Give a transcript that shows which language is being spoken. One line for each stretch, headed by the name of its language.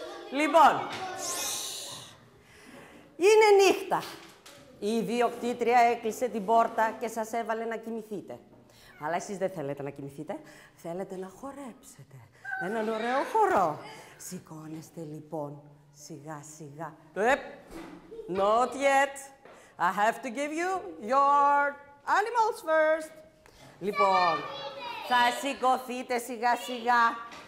Greek: Λοιπόν, είναι νύχτα. Η ιδιοκτήτρια έκλεισε την πόρτα και σας έβαλε να κοιμηθείτε. Αλλά εσείς δεν θέλετε να κοιμηθείτε, θέλετε να χορέψετε. Έναν ωραίο χορό. Σηκώνεστε λοιπόν, σιγά σιγά.
English: Not yet. I have to give you your animals first.
Greek: Λοιπόν, θα σηκωθείτε σιγά σιγά.